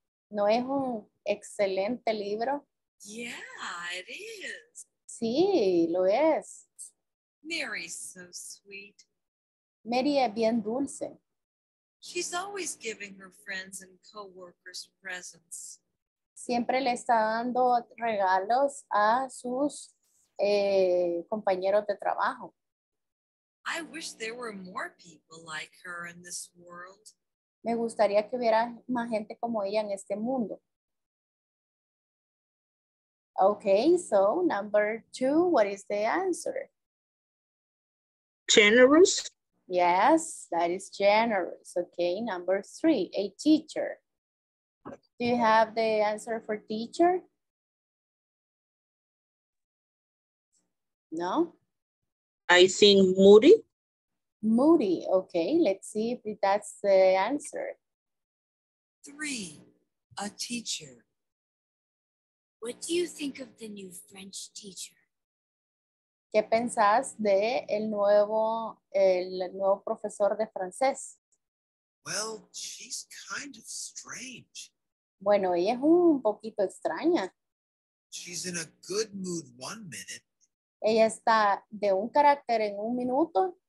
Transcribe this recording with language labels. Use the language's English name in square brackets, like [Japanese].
[Spanish] ¿No es un excelente libro? [English] Yeah, it is. [Spanish] Sí, lo es. [English] Mary's so sweet. [Spanish] Mary es bien dulce. [English] She's always giving her friends and co-workers presents. [Spanish] Siempre le está dando regalos a sus compañeros de trabajo. [English] I wish there were more people like her in this world. [Spanish] Me gustaría que hubiera más gente como ella en este mundo. [English] Okay, so number two, what is the answer? Generous. Yes, that is generous. Okay, number three, a teacher. Do you have the answer for teacher? No? I think moody. Moody, okay. Let's see if that's the answer. Three, a teacher. What do you think of the new French teacher? [Spanish] ¿Qué pensás de el nuevo profesor de francés? [English] Well, she's kind of strange. [Spanish] Bueno, ella es un poquito extraña. [English] She's in a good mood one minute. [Spanish] Ella está de un carácter en un minuto.